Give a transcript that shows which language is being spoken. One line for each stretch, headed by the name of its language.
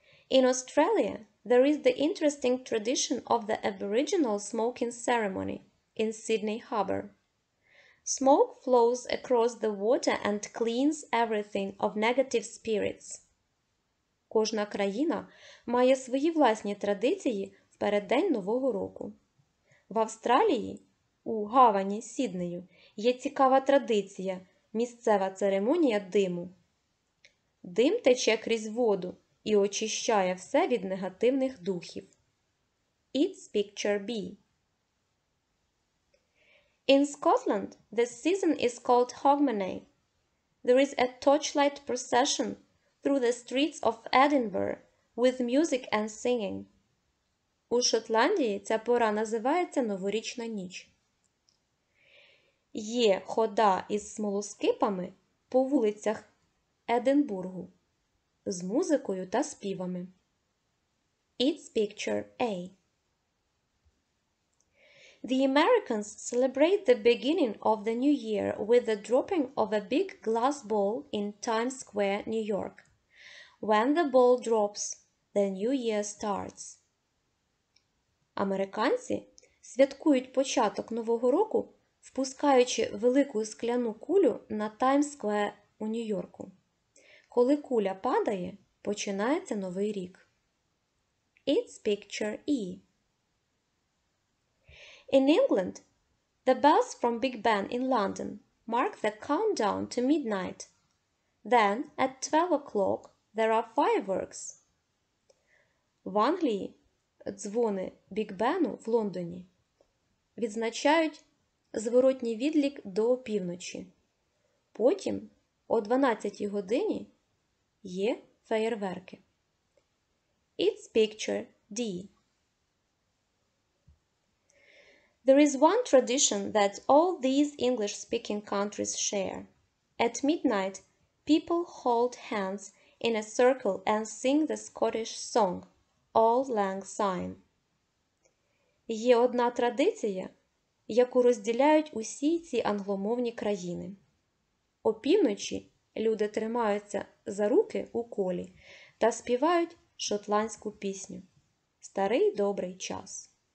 English: In Australia, there is the interesting tradition of the Aboriginal smoking ceremony in Sydney Harbour. Smoke flows across the water and cleans everything of negative spirits.
Ukrainian: Кожна країна має свої власні традиції в переддень Нового року. В Австралії, у гавані Сіднею, є цікава традиція – місцева церемонія диму. Дим тече крізь воду і очищає все від негативних духів.
English: It's picture B. In Scotland, the season is called Hogmanay. There is a torchlight procession through the streets of Edinburgh with music and singing.
Ukrainian: У Шотландії ця пора називається Новорічна ніч. Є хода із смолоскипами по вулицях Единбургу з музикою та співами.
English: It's picture A. The Americans celebrate the beginning of the new year with the dropping of a big glass ball in Times Square, New York. When the ball drops, the new year starts.
Ukrainian: Американці святкують початок Нового року, впускаючи велику скляну кулю на Times Square у Нью-Йорку. Коли куля падає, починається Новий рік.
English: It's picture E. In England, the bells from Big Ben in London mark the countdown to midnight. Then, at 12 o'clock, there are fireworks.
Ukrainian: В Англії дзвони Біг Бену в Лондоні відзначають зворотній відлік до півночі. Потім, о 12 годині, є феєрверки.
English: It's picture D. There is one tradition that all these English-speaking countries share. At midnight, people hold hands in a circle and sing the Scottish song, Auld Lang Syne.
Ukrainian: Є одна традиція, яку розділяють усі ці англомовні країни. О півночі люди тримаються за руки у колі та співають шотландську пісню «Старий добрий час».